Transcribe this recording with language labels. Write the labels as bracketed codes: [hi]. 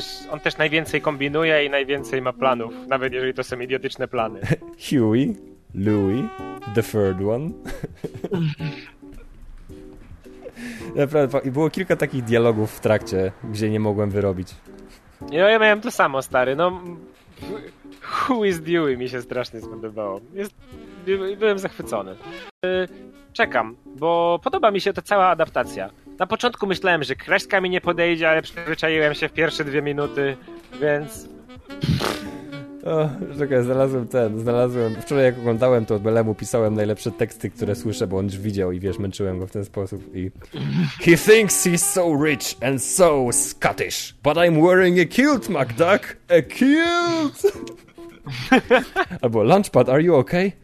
[pl] On też najwięcej kombinuje i najwięcej ma planów, nawet jeżeli to są idiotyczne plany. [en] Huey, Louie, the third one. [pl] Naprawdę, było kilka takich dialogów w trakcie, gdzie nie mogłem wyrobić. No, ja miałem to samo, stary. No, [en] Who is Dewey [pl] mi się strasznie spodobało. Byłem zachwycony. Czekam, bo podoba mi się ta cała adaptacja. Na początku myślałem, że kreska mi nie podejdzie, ale przyzwyczaiłem się w pierwsze dwie minuty, więc... Czekaj, znalazłem. Wczoraj jak oglądałem, to Belemu pisałem najlepsze teksty, które słyszę, bo on już widział i wiesz, męczyłem go w ten sposób i... [en] He thinks he's so rich and so Scottish, but I'm wearing a kilt, MacDuck! A kilt! [pl] Albo [en] Launchpad, are you okay?